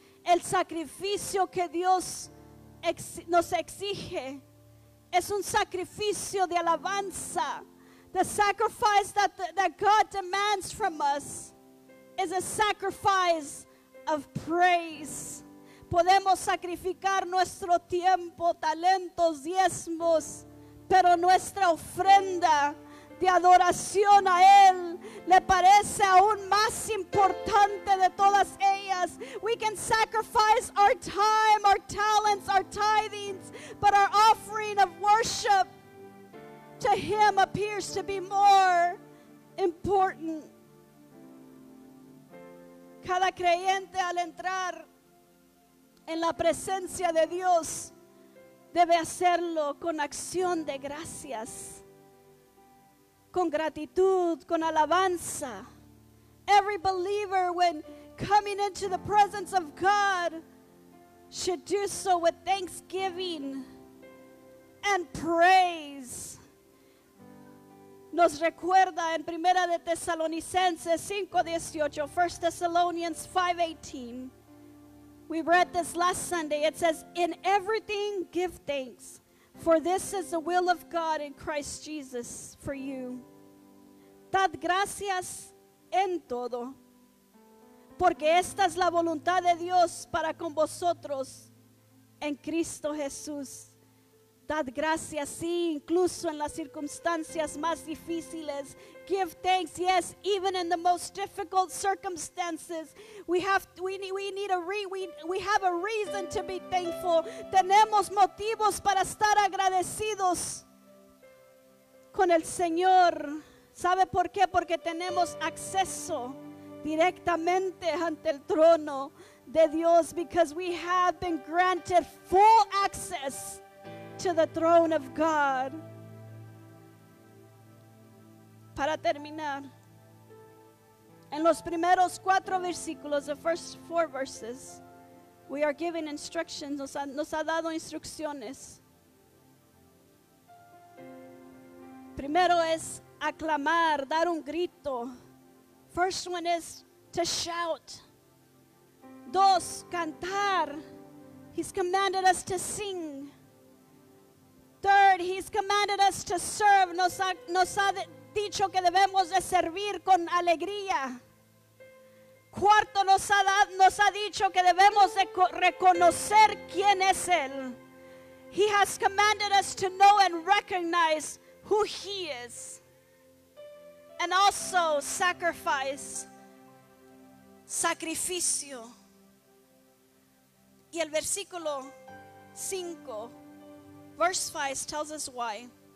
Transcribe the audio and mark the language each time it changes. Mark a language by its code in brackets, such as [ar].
[es] El sacrificio que Dios nos exige es un sacrificio de alabanza. [en] The sacrifice that God demands from us is a sacrifice of praise. [es] Podemos sacrificar nuestro tiempo, talentos, diezmos, pero nuestra ofrenda de adoración a Él le parece aún más importante de todas ellas. [en] We can sacrifice our time, our talents, our tithings, but our offering of worship to Him appears to be more important. [es] Cada creyente al entrar en la presencia de Dios debe hacerlo con acción de gracias, con gratitud, con alabanza. [en] Every believer, when coming into the presence of God, should do so with thanksgiving and praise. [es] Nos recuerda en Primera de Tesalonicenses 5:18, 1 Thessalonians 5:18. [en] We read this last Sunday. It says, in everything give thanks, for this is the will of God in Christ Jesus for you. [es] Dad gracias en todo, porque esta es la voluntad de Dios para con vosotros en Cristo Jesús. Dad gracias, sí, incluso en las circunstancias más difíciles. [en] Give thanks, yes, even in the most difficult circumstances. We have a reason to be thankful. [es] Tenemos motivos para estar agradecidos con el Señor. ¿Sabe por qué? Porque tenemos acceso directamente ante el trono de Dios. [en] Because we have been granted full access to the throne of God. [es] Para terminar, en los primeros cuatro versículos, [en] the first four verses, we are given instructions. [es] Nos ha dado instrucciones. Primero es aclamar, dar un grito. [en] First one is to shout. [es] Dos, cantar. [en] He's commanded us to sing. Third, He's commanded us to serve. [es] Nos ha dicho que debemos de servir con alegría. Cuarto, nos ha dicho que debemos de reconocer quién es Él. [en] He has commanded us to know and recognize who He is. And also sacrifice. Sacrificio. [es] Y el versículo 5. [en] Verse 5 tells us why.